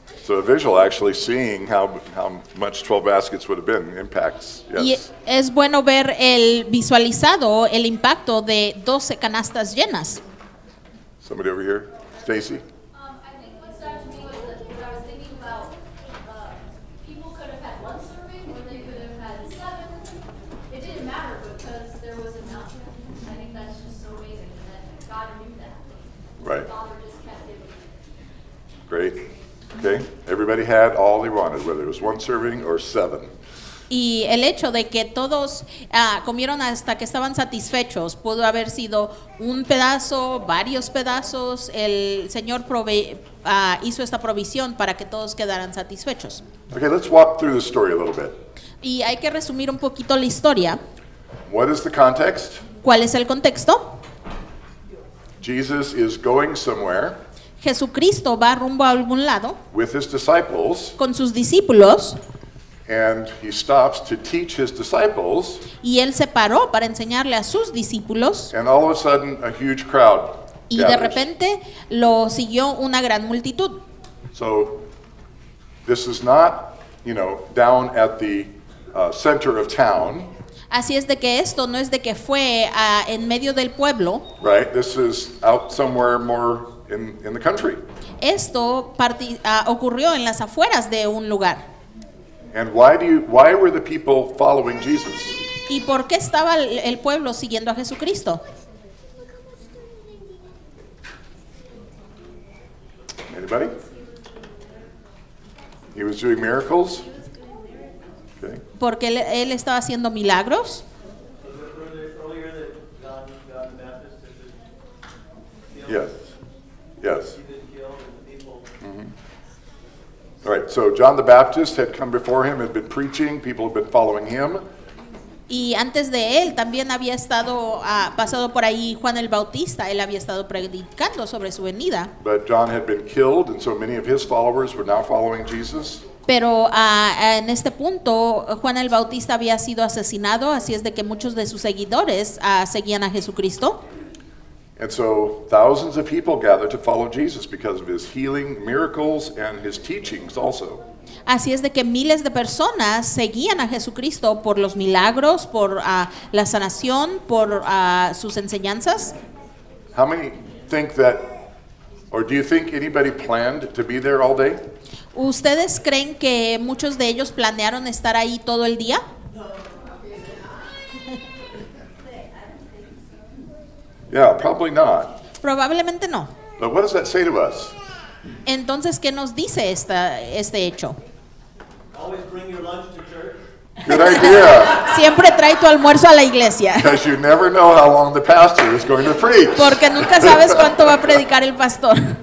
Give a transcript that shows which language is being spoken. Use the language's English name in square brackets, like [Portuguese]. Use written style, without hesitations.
[English] So a visual, actually seeing how much 12 baskets would have been, impacts. Yes. Y [Spanish] es bueno ver el visualizado, el impacto de 12 canastas llenas. [English] Somebody over here. Stacy? I think what stood out to me was that when I was thinking about people could have had one serving or they could have had seven. It didn't matter because there was enough. I think that's just so amazing that God knew that. Right. Father just kept giving. Great. Okay. Everybody had all they wanted, whether it was one serving or seven. [Spanish] Y el hecho de que todos comieron hasta que estaban satisfechos pudo haber sido un pedazo, varios pedazos. El Señor hizo esta provisión para que todos quedaran satisfechos. [English] Okay, let's walk through the story a little bit. [Spanish] Y hay que resumir un poquito la historia. [English] What is the context? [Spanish] ¿Cuál es el contexto? [English] Jesus is going somewhere. [Spanish] Jesucristo va rumbo a algún lado. [English] With his disciples. [Spanish] Con sus discípulos. [English] And he stops to teach his disciples. [Spanish] Y él se paró para enseñarle a sus discípulos. [English] And all of a sudden, a huge crowd. [Spanish] Y [English] gathers. [Spanish] De repente lo siguió una gran multitud. [English] So, this is not, you know, down at the center of town. [Spanish] Así es de que esto no es de que fue en medio del pueblo. [English] Right. This is out somewhere more in the country. [Spanish] Esto ocurrió en las afueras de un lugar. [English] And why were the people following Jesus? [Spanish] ¿Y por qué estaba el pueblo siguiendo a Jesucristo? [English] Anybody? He was doing miracles. Okay. [Spanish] Porque él estaba haciendo milagros. [English] Yes. Yes. All right, so John the Baptist had come before him, had been preaching, people had been following him. [Spanish] Y antes de él también había estado pasado por ahí Juan el Bautista, él había estado predicando sobre su venida. [English] But John had been killed and so many of his followers were now following Jesus. [Spanish] Pero en este punto Juan el Bautista había sido asesinado, así es de que muchos de sus seguidores seguían a Jesucristo. [English] And so thousands of people gathered to follow Jesus because of his healing miracles and his teachings also. [Spanish] Así es de que miles de personas seguían a Jesucristo por los milagros, por la sanación, por sus enseñanzas. [English] How many think that, or do you think anybody planned to be there all day? [Spanish] ¿Ustedes creen que muchos de ellos planearon estar ahí todo el día? [English] Yeah, probably not. [Spanish] Probablemente no. [English] But what does that say to us? [Spanish] Entonces, ¿qué nos dice este hecho? [English] Always bring your lunch to church. Good idea. [Spanish] Siempre trae tu almuerzo a la iglesia. [English] Because you never know how long the pastor is going to preach. [Spanish] Porque nunca sabes cuánto va a predicar el pastor.